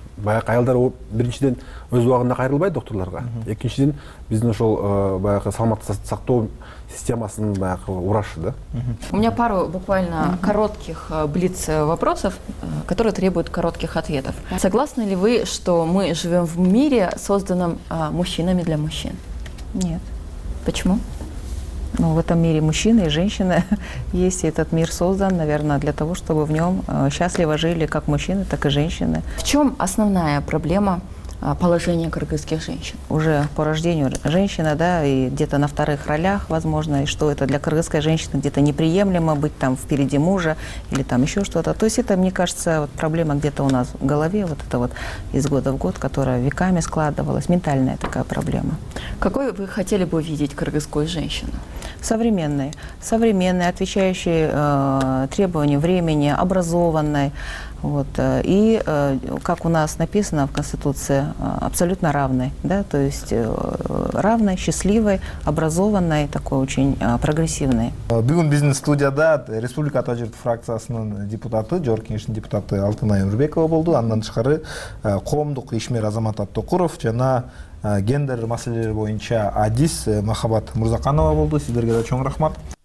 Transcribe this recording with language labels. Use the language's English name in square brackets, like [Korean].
[Kyrgyz] Баягы аялдар биринчиден өз убагында кайрылбайт доктурларга. Экинчиден биздин ошол баягы саламаттык сактоо системасынын баягы урашы да. [Russian] У меня пару буквально коротких блиц вопросов, которые требуют коротких ответов. Согласны ли вы, что мы живем в мире, созданном мужчинами для мужчин? Нет. Почему? Ну, в этом мире мужчины и женщины есть, и этот мир создан, наверное, для того, чтобы в нем счастливо жили как мужчины, так и женщины. В чем основная проблема положения кыргызских женщин? Уже по рождению женщина, да, и где-то на вторых ролях, возможно, и что это для кыргызской женщины где-то неприемлемо быть там впереди мужа или там еще что-то. То есть это, мне кажется, вот проблема где-то у нас в голове, вот это вот из года в год, которая веками складывалась, ментальная такая проблема. Какой вы хотели бы видеть кыргызскую женщину? Современной. Современной, отвечающей требованиям времени, образованной. Вот. И, как у нас написано в Конституции, абсолютно равной. Да? То есть равной, счастливой, образованной, такой очень прогрессивной. [Kyrgyz] Бүгүн биздин студияда Республика Атажирт фракциясынын депутаты, Жогорку Кеңештин депутаты Алтынай Өмүрбекова болду. Андан тышкары коомдук ишмер Азамат Аттокуров жана гендер маселелери боюнча адис Махабат Мурзаканова болду. Сиздерге да чоң рахмат.